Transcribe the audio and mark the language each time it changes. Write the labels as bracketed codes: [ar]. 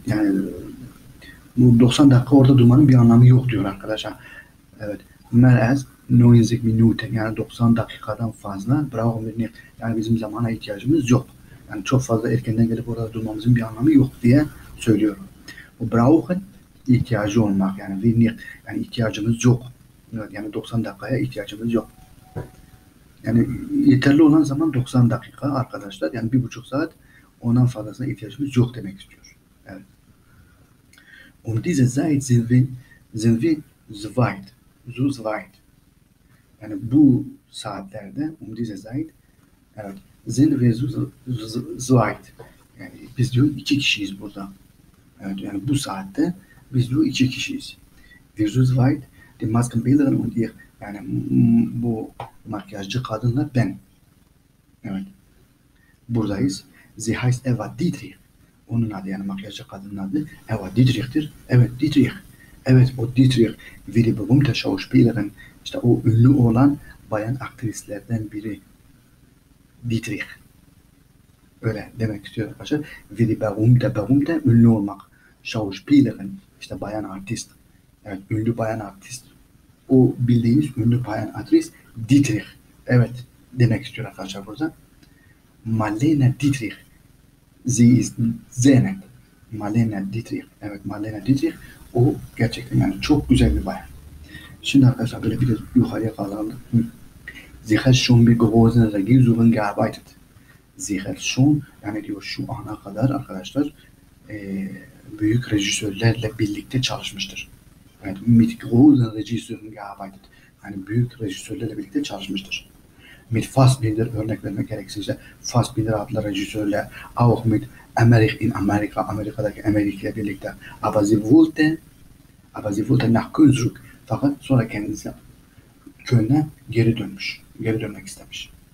[tr] Yani bu 90 dakika orada durmanın bir anlamı yok diyor arkadaşlar. Evet. [de] mehr als 90 Minuten, [tr] yani 90 dakikadan fazla [de] brauchen wir nicht. [tr] Yani bizim zamana ihtiyacımız yok. Yani çok fazla erkenden gelip orada durmamızın bir anlamı yok diye söylüyorum. Bu brauchen ihtiyacı olmak, yani [de] wir nicht, [tr] yani ihtiyacımız yok. Yani 90 dakikaya ihtiyacımız yok. Yani yeterli olan zaman 90 dakika arkadaşlar, yani 1,5 saat, ondan fazlasına ihtiyacımız yok demek istiyor. Evet. [de] Um diese Zeit sind wir so weit. So weit. [tr] Yani bu saatlerde [de] um diese Zeit evet, sind wir so weit. [tr] Yani biz diyor iki kişiyiz burada. Evet, yani bu saatte biz diyor iki kişiyiz. [de] Wir so weit, die Maskenbildnerin und ich, [tr] yani bu makyajcı kadınla ben. Evet. Buradayız. [de] Sie heißt Eva Dietrich. [tr] Onun adı, yani makyajcı kadının adı Eva Dietrich'tir. Evet, Dietrich. Evet, o Dietrich. [de] Wie berühmte Schauspielerin. [tr] İşte o ünlü olan bayan aktrislerden biri. Dietrich. Öyle demek istiyor arkadaşlar. [de] Wie berühmte, berühmte, [tr] ünlü olmak. Schauspielerin. İşte bayan artist. Evet, ünlü bayan artist. O bildiğiniz ünlü bayan aktris Dietrich. Evet, demek istiyor arkadaşlar burada. [de] Marlene Dietrich. Sie ist sehr nett. Marlene Dietrich. Evet, Marlene Dietrich. [tr] O gerçekten yani çok güzel bir bayan. Şimdi arkadaşlar böyle bir de yukarıya kaldırdık. [de] Sie hat schon bir großen Regisseurin gearbeitet. Sie hat schon, [tr] yani diyor şu ana kadar arkadaşlar büyük rejisörlerle birlikte çalışmıştır. [de] Evet, mit großen Regisseurin gearbeitet. [tr] Yani büyük rejisörlerle birlikte çalışmıştır. Mit Fassbinder örnek vermek gerekirse Fassbinder adlı rejisörle [de] auch mit Emmerich in Amerika, [tr] Amerika'daki Emmerich ile birlikte [de] aber sie wollte nach Köln zurück, [tr] fakat sonra kendisi Köln'e geri dönmüş, geri dönmek istemiş.